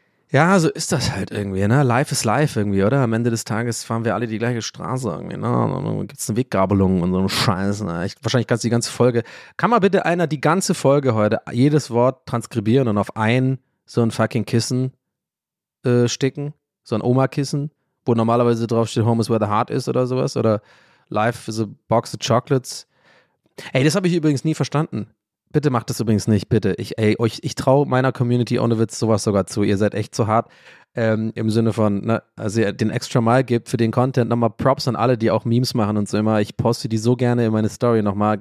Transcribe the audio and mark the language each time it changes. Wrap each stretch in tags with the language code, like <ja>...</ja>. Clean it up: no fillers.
<de>Ja, so ist das halt irgendwie, ne?</de> <en>Life is life</en> <de>irgendwie, oder? Am Ende des Tages fahren wir alle die gleiche Straße irgendwie, ne? Und dann gibt's eine Weggabelung und so einen Scheiß, ne? Wahrscheinlich kannst du die ganze Folge, kann mal bitte einer die ganze Folge heute jedes Wort transkribieren und auf ein so ein fucking Kissen sticken? So ein Oma-Kissen, wo normalerweise draufsteht,</de> <en>Home is where the heart is</en> <de>oder sowas? Oder</de> <en>Life is a box of chocolates?</en> <de>Ey, das habe ich übrigens nie verstanden. Bitte macht das übrigens nicht, bitte. Ich traue meiner Community ohne Witz sowas sogar zu. Ihr seid echt zu hart. Im Sinne von, ne, also ihr den extra Mal gibt für den Content. Nochmal Props an alle, die auch Memes machen und so immer. Ich poste die so gerne in meine Story nochmal.</de>